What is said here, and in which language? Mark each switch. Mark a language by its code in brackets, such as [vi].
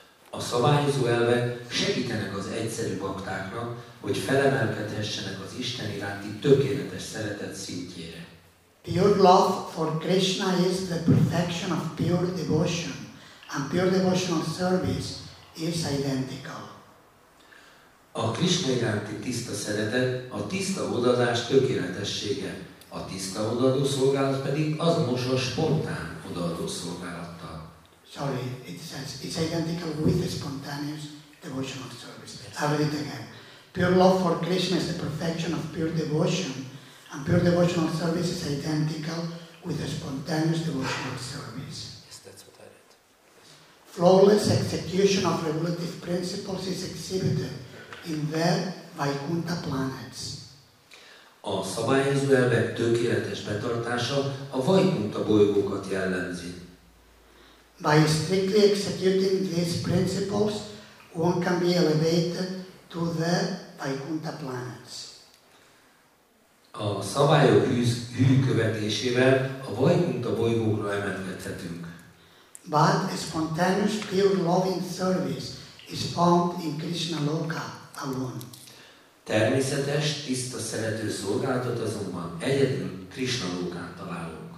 [hu] A szabályozó elvek segítenek az egyszerű baktáknak, hogy felemelkedhessenek az Isten iránti tökéletes szeretet szintjére. [en] Pure love for Krishna is the perfection of pure devotion, and pure devotional service is identical. [hu] A Krishna iránti tiszta szeretet, a tiszta odaadás tökéletessége, a tiszta odaadó szolgálat pedig az most a spontán odaadó szolgálattal. [en] Sorry, it says it's identical with the spontaneous devotional service. I'll read it again. Pure love for Krishna is the perfection of pure devotion, and pure devotional service is identical with the spontaneous devotional service. Yes, that's what I read. Flawless execution of regulative principles is exhibited in the Vaikuntha planets. [hu] A szabályozó elvek tökéletes betartása a Vaikuntha bolygókat jellemzi. [en] By strictly executing these principles, one can be elevated to the Vaikuntha planets. [hu] A szabályok hű követésével a Vaikuntha bolygókra emelkedhetünk. [en] But a spontaneous pure loving service is found in Krishna Loka. [hu] Természetes, tiszta szerető szolgálatot azonban egyedül Krishna lókán találunk.